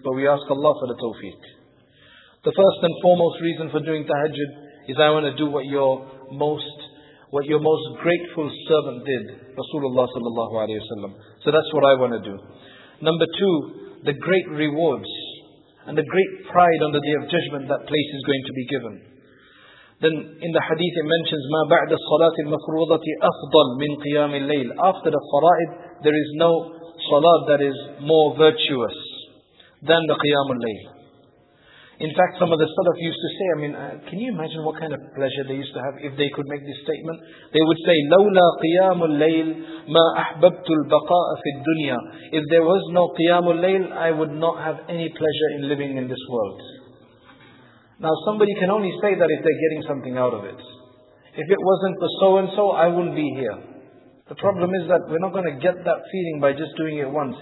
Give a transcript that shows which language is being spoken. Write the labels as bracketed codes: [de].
[en] But we ask Allah for the tawfiq. The first and foremost reason for doing tahajjud is I want to do what your most grateful servant did, Rasulullah sallallahu alayhi wa sallam. So that's what I want to do. Number two, the great rewards and the great pride on the day of judgment that place is going to be given. Then in the hadith it mentions, [ar] مَا بَعْدَ الصَّلَاةِ الْمَفْرُوضَةِ أَفْضَلْ مِنْ قِيَامِ اللَّيْلِ. [en] After the fara'id, there is no salat that is more virtuous than the qiyam al-layl. In fact, some of the salaf used to say, can you imagine what kind of pleasure they used to have if they could make this statement? [ar] They would say, لَوْلَا قِيَامُ اللَّيْلِ مَا أَحْبَبْتُ الْبَقَاءَ فِي الدُّنْيَا. [en] If there was no qiyam al-layl, I would not have any pleasure in living in this world. Now somebody can only say that if they're getting something out of it. If it wasn't for so and so, I wouldn't be here. The problem is that we're not going to get that feeling by just doing it once.